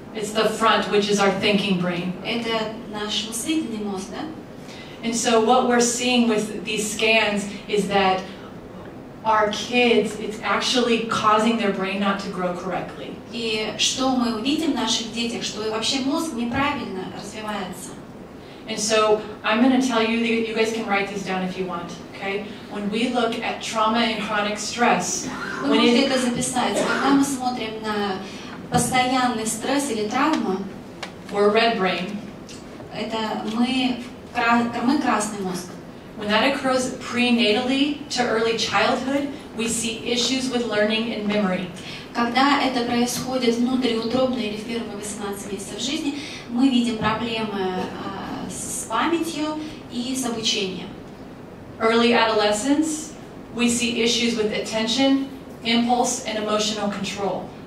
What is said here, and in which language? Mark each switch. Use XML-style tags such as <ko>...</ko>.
<en>It's the front, which is our thinking brain.</en> <ru>Это наш мыслительный мозг, да?</ru> <en>And so what we're seeing with these scans is that our kids, it's actually causing their brain not to grow correctly.</en> <ru>И что мы увидим в наших детях, что вообще мозг неправильно развивается.</ru> <en>And so I'm going to tell you, you guys can write this down if you want, okay? When we look at trauma and chronic stress,</en> <ru>вы можете это записать. Когда мы смотрим на постоянный стресс или травму,</ru> <en>or red brain,</en> <ru>это мы красный мозг.</ru> <en>When that occurs prenatally to early childhood, we see issues with learning and memory.</en> <ru>Когда это происходит внутриутробно или в первые 18 месяцев жизни, мы видим проблемы с памятью и с обучением.</ru> <en>Early adolescence, we see issues with attention, impulse, and emotional control.</en>